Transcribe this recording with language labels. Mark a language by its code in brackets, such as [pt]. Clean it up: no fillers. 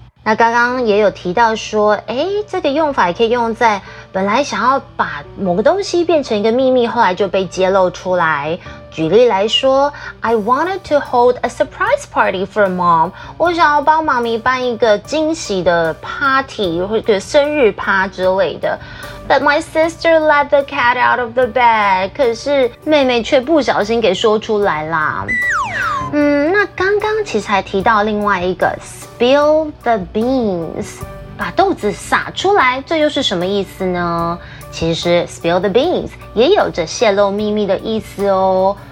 [zh] 那刚刚也有提到说这个用法也可以用在本来想要把某个东西变成一个秘密，后来就被揭露出来。举例来说， [en] I wanted to hold a surprise party for mom. [zh] 我想要帮妈咪办一个惊喜的 party 或者生日趴之类的。 [en] But my sister let the cat out of the bag. [zh] 可是妹妹却不小心给说出来啦。那刚刚其实还提到另外一个 spill the beans， 把豆子撒出来，这又是什么意思呢？其实 spill the beans 也有着泄露秘密的意思哦。